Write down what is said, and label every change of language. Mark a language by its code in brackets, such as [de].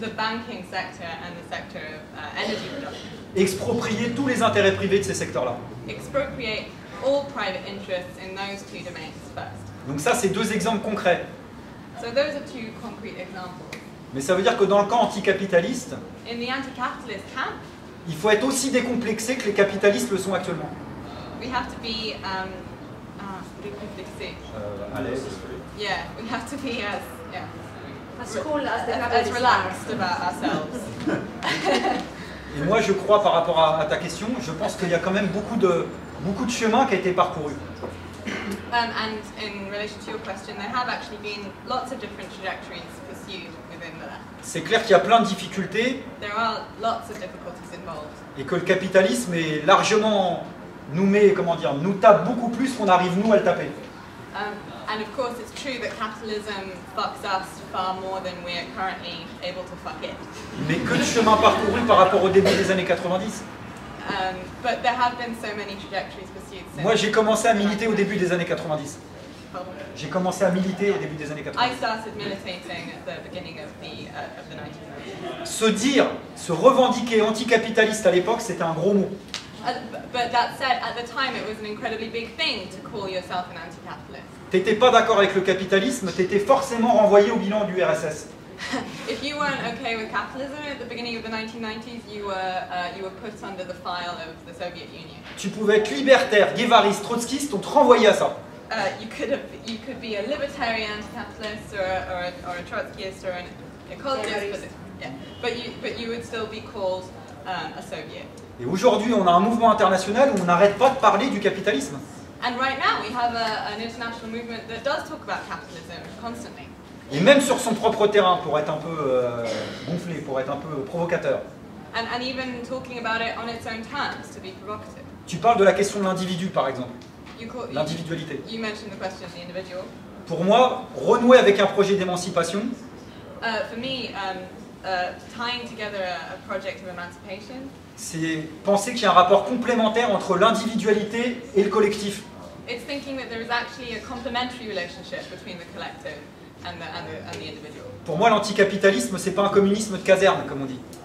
[en] The banking sector and the sector of energy production. [fr] Exproprier tous les intérêts privés de ces secteurs-là. [en] Expropriate all private interests in those two domains first. [fr] Donc ça, c'est deux exemples concrets. [en] So those are two concrete examples. [fr] Mais ça veut dire que dans le camp anticapitaliste, [en] in the anti-capitalist camp, [fr] il faut être aussi décomplexé que les capitalistes le sont actuellement. [en] We have to be décomplexé. [fr] À l'aise. [en] Yeah, we have to be as, yeah. as cool as the as relaxed about ourselves. [fr] Et moi, je crois, par rapport à ta question, je pense qu'il y a quand même beaucoup de chemin qui a été parcouru. [en] And in relation to your question, there have actually been lots of different trajectories pursued within the left. [fr] C'est clair qu'il y a plein de difficultés. [en] There are lots of difficulties involved. [fr] Et que le capitalisme est largement nous met, comment dire, nous tape beaucoup plus qu'on arrive nous à le taper. [en] And of course, it's true that capitalism fucks us far more than we are currently able to fuck it. [fr] Mais que de chemin parcouru par rapport au début des années 90. [en] But there have been so many trajectories pursued since. [fr] Moi, j'ai commencé à militer au début des années 90. J'ai commencé à militer au début des années 90. [en] I started militating at the beginning of the 1990s. [fr] Se revendiquer anticapitaliste à l'époque, c'était un gros mot. [en] But that said, at the time, it was an incredibly big thing to call yourself an anti-capitalist. [fr] T'étais pas d'accord avec le capitalisme, t'étais forcément renvoyé au bilan du RSS. [en] If you weren't okay with capitalism at the beginning of the 1990s, you were put under the file of the Soviet Union. [fr] Tu pouvais être libertaire, guévariste, trotskiste, on te renvoyait à ça. [en] You could be a libertarian anti-capitalist or a trotskyist or an ecologist, but you would still be called a Soviet. [fr] Et aujourd'hui, on a un mouvement international où on n'arrête pas de parler du capitalisme. [en] And right now we have an international movement that does talk about capitalism constantly. [fr] Et même sur son propre terrain, pour être un peu gonflé, pour être un peu provocateur. [en] And even talking about it on its own terms, to be provocative. [fr] Tu parles de la question de l'individu, par exemple. L'individualité. [en] You mentioned the question of the individual. [fr] Pour moi, renouer avec un projet d'émancipation. [en] Tying together a project of emancipation. [fr] C'est penser qu'il y a un rapport complémentaire entre l'individualité et le collectif. [en] It's thinking that there is actually a complementary relationship between the collective. And the individual. [fr] Pour moi, l'anticapitalisme, c'est pas un communisme de caserne, comme on dit.